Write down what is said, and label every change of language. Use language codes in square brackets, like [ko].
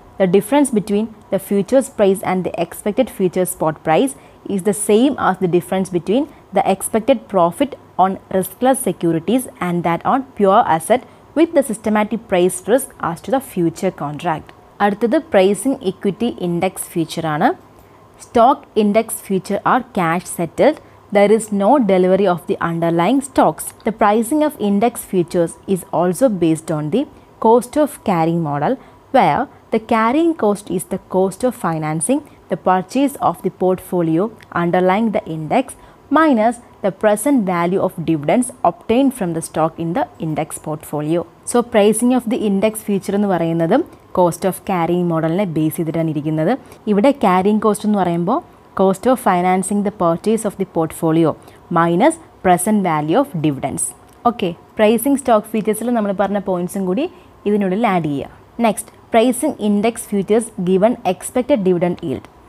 [en] The difference between the futures price and the expected futures spot price is the same as the difference between the expected profit on riskless securities and that on pure asset with the systematic price risk as to the future contract. [ml] അടുത്തത് pricing equity index ഫ്യൂച്ചറാണ്. [en] Stock index future are cash settled. There is no delivery of the underlying stocks. The pricing of index futures is also based on the cost of carrying model, where the carrying cost is the cost of financing the purchase of the portfolio underlying the index minus the present value of dividends obtained from the stock in the index portfolio. So pricing of the index future [ml] nu parayunnathu cost of carrying മോഡലിനെ base ചെയ്തിട്ടാണ് ഇരിക്കുന്നത്. ഇവിടെ carrying cost എന്ന് പറയുമ്പോൾ [en] Cost of financing the purchase of the portfolio minus present value of dividends. [ml] Okay, pricing stock ഫ്യൂച്ചേഴ്സിൽ നമ്മൾ പറഞ്ഞ പോയിൻറ്സും കൂടി ഇതിനുള്ളിൽ ആഡ് ചെയ്യുക. [en] Next, pricing index futures given expected dividend yield.